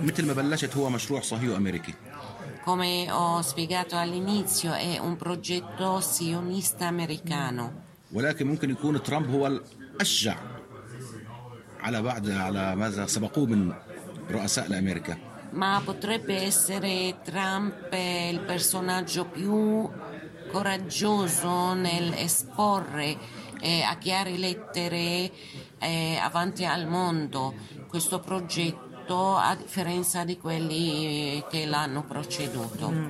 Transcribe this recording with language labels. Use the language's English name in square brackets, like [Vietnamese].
[Arabic] مثل ما بلشت هو مشروع صهيو أمريكي. [Italian] Come ho spiegato all'inizio è un progetto sionista americano. [Arabic] ولكن ممكن يكون ترامب هو الأشجع على بعد على ماذا سبقوه من رؤساء الأمريكا. [Italian] Ma potrebbe essere Trump il personaggio più coraggioso nel esporre a chiare lettere avanti al mondo questo progetto, a differenza di quelli che l'hanno preceduto.